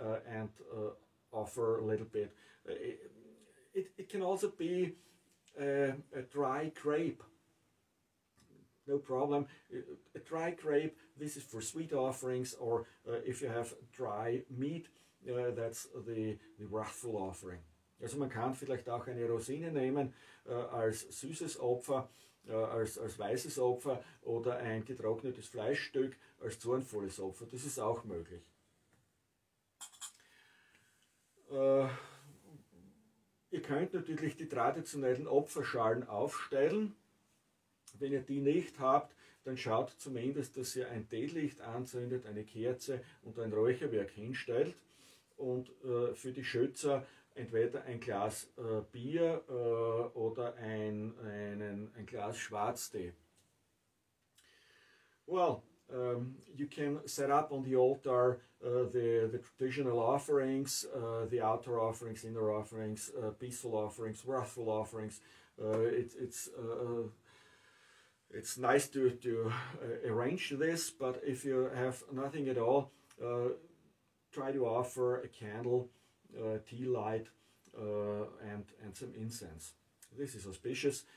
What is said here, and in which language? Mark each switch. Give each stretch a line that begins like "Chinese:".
English: and offer a little bit. It can also be a dry grape. No problem. A dry grape, this is for sweet offerings, or if you have dry meat, that's the wrathful offering.
German: Also man kann vielleicht auch eine Rosine nehmen als süßes Opfer, als weißes Opfer oder ein getrocknetes Fleischstück als zornvolles Opfer. Das ist auch möglich. Ihr könnt natürlich die traditionellen Opferschalen aufstellen. Wenn ihr die nicht habt, dann schaut zumindest, dass ihr ein Teelicht anzündet, eine Kerze und ein Räucherwerk hinstellt und für die Schützer entweder ein Glas Bier oder ein Glas Schwarztee.
English: Well, you can set up on the altar the traditional offerings, the outer offerings, inner offerings, peaceful offerings, wrathful offerings. It's nice to arrange this, but if you have nothing at all, try to offer a candle, tea light, and some incense. This is auspicious.